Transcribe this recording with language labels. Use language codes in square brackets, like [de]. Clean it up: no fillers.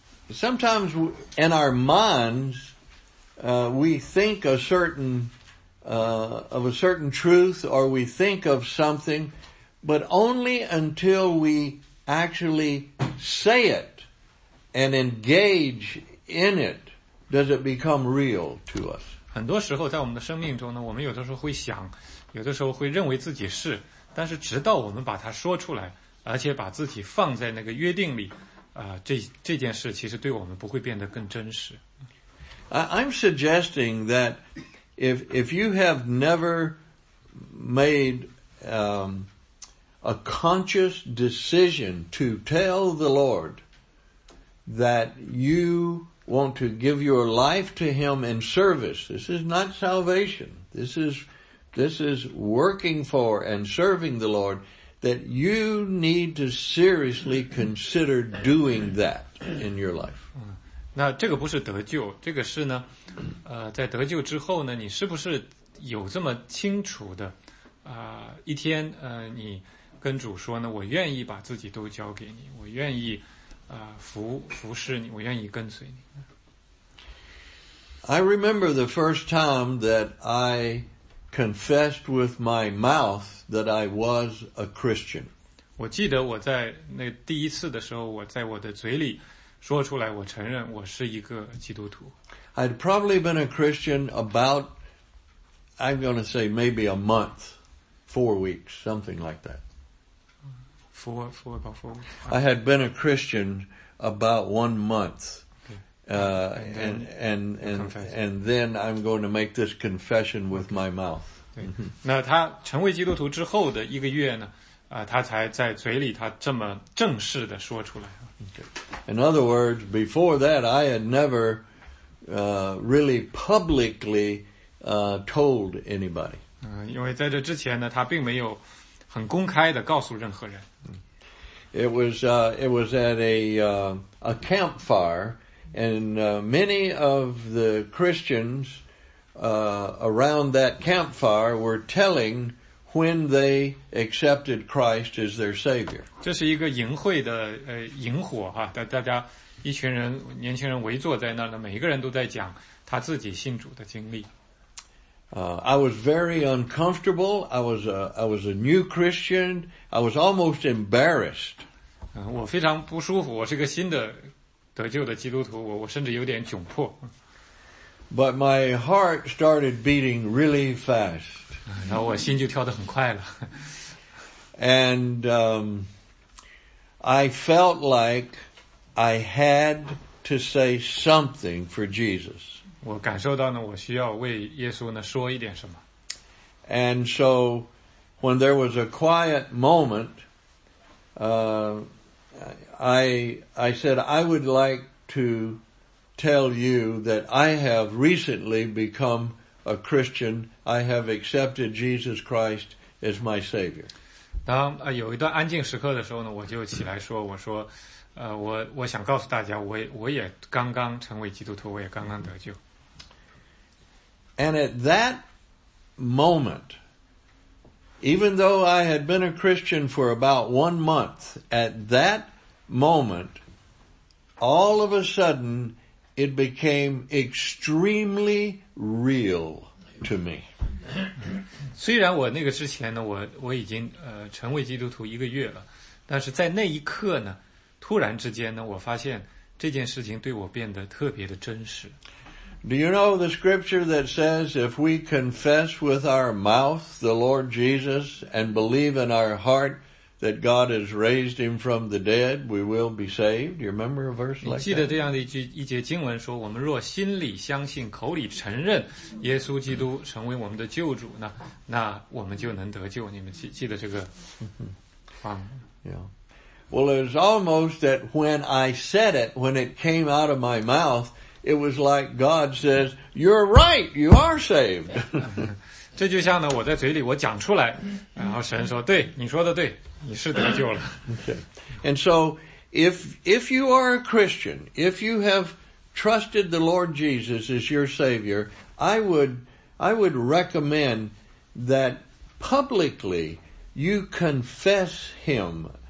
[en] Sometimes in our minds, we think of a certain truth or we think of something, but only until we actually say it and engage in it does it become real to us. [zh] 很多时候在我们的生命中呢，我们有的时候会想，有的时候会认为自己是，但是直到我们把它说出来，而且把自己放在那个约定里，这件事其实对我们不会变得更真实。 [en] I'm suggesting that if you have never made a conscious decision to tell the Lord that you want to give your life to him in service, this is not salvation. This is working for and serving the Lord, that you need to seriously consider doing that in your life. [zh] 那这个不是得救，这个是呢，在得救之后呢，你是不是有这么清楚的，一天，你跟主说呢，我愿意把自己都交给你，我愿意，服侍你，我愿意跟随你。 [en] I remember the first time that I confessed with my mouth that I was a Christian. [zh] 我记得我在那第一次的时候，我在我的嘴里说出来，我承认我是一个基督徒。 [en] I'd probably been a Christian about I'm going to say maybe a month, 4 weeks, something like that. About four weeks. I had been a Christian about 1 month. And then I'm going to make this confession with my mouth. [zh] 那他成为基督徒之后的一个月呢，他才在嘴里他这么正式的说出来。 [en] In other words, before that, I had never, really publicly, told anybody. [zh] 因为在这之前呢，他并没有很公开的告诉任何人。 [en] It was at a campfire. And many of the Christians around that campfire were telling when they accepted Christ as their Savior. [zh] 这是一个营会的营火哈，大家一群人年轻人围坐在那儿呢，每一个人都在讲他自己信主的经历。 [en] I was very uncomfortable. I was a new Christian. I was almost embarrassed. [zh] 我非常不舒服，我是一个新的。得救的基督徒，我甚至有点窘迫。 [en] But my heart started beating really fast. [zh] 然后我心就跳得很快了。 [en] And I felt like I had to say something for Jesus. [zh] 我感受到呢，我需要为耶稣呢说一点什么。 [en] And so, when there was a quiet moment, I said, I would like to tell you that I have recently become a Christian. I have accepted Jesus Christ as my Savior. [zh] 当有一段安静时刻的时候呢，我就起来说，我说，我想告诉大家，我也刚刚成为基督徒，我也刚刚得救。 [en] And at that moment, even though I had been a Christian for about 1 month, at that moment, all of a sudden, it became extremely real to me. [zh] 虽然我那个之前呢，我已经成为基督徒一个月了，但是在那一刻呢，突然之间呢，我发现这件事情对我变得特别的真实。 [en] Do you know the scripture that says if we confess with our mouth the Lord Jesus and believe in our heart that God has raised him from the dead, we will be saved? You remember a verse like that? [zh] 你记得这样的一节经文说，我们若心里相信，口里承认耶稣基督成为我们的救主呢，那我们就能得救。你们记得这个话吗？ [en] Yeah. Well, it was almost that when I said it, when it came out of my mouth, it was like God says, you're right, you are saved. [zh] 这就像呢，我在嘴里我讲出来，然后神说，对，你说的对。你是得救了。 [en] Okay. And so, if you are a Christian, if you have trusted the Lord Jesus as your Savior, I would recommend that publicly you confess Him.